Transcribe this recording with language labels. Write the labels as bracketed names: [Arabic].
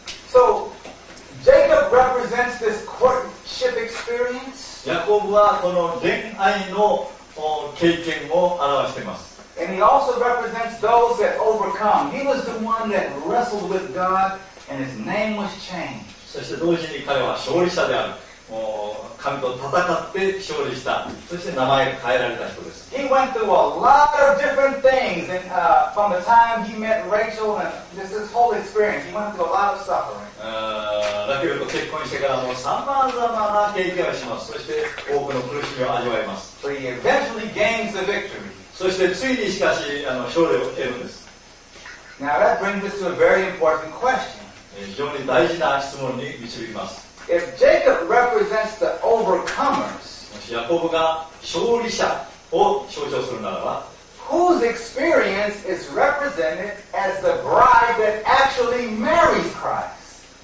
[English] So, Jacob represents this courtship experience. [Japanese] Jacob はこの恋愛の経験を表しています。 [English] And he also represents those that overcome. He was the one that wrestled with God, and his name was changed. [Japanese] そして同時に彼は勝利者である。神と戦って勝利した。そして名前が変えられた人です。 [English] He went through a lot of different things, and, from the time he met Rachel and this whole experience, he went through a lot of suffering. [Japanese] ラケルと結婚してからも様々な経験をします。そして多くの苦しみを味わいます。 [English] So he eventually gains the victory. [Japanese] そしてついにしかし勝利を得るんです。 [English] Now that brings us to a very important question. [Japanese] 非常に大事な質問に導きます。 [English] If Jacob represents the overcomers, [Japanese] もしヤコブが勝利者を象徴するならば、 [English] whose experience is represented as the bride that actually marries Christ?